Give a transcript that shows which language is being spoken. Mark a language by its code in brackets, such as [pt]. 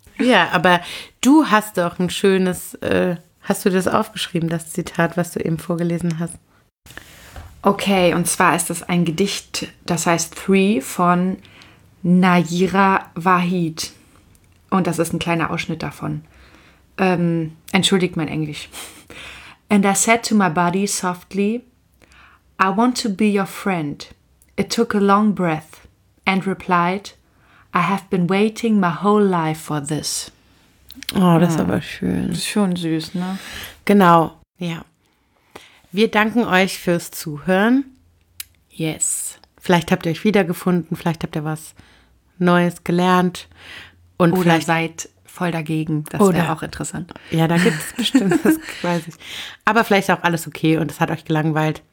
[de] Ja, aber du hast doch ein schönes Hast du das aufgeschrieben, das Zitat, was du eben vorgelesen hast? Okay, und zwar ist das ein Gedicht, das heißt Three von Nayira Wahid. Und das ist ein kleiner Ausschnitt davon. Entschuldigt mein Englisch. [en] And I said to my body softly, I want to be your friend. It took a long breath and replied, I have been waiting my whole life for this. [de] Oh, das ist aber schön. Das ist schon süß, ne? Genau, ja. Wir danken euch fürs Zuhören. [en] Yes. [de] Vielleicht habt ihr euch wiedergefunden, vielleicht habt ihr was Neues gelernt. Und oder seid voll dagegen, das wäre auch interessant. Ja, da gibt es bestimmt, das weiß ich. Aber vielleicht ist auch alles okay und es hat euch gelangweilt.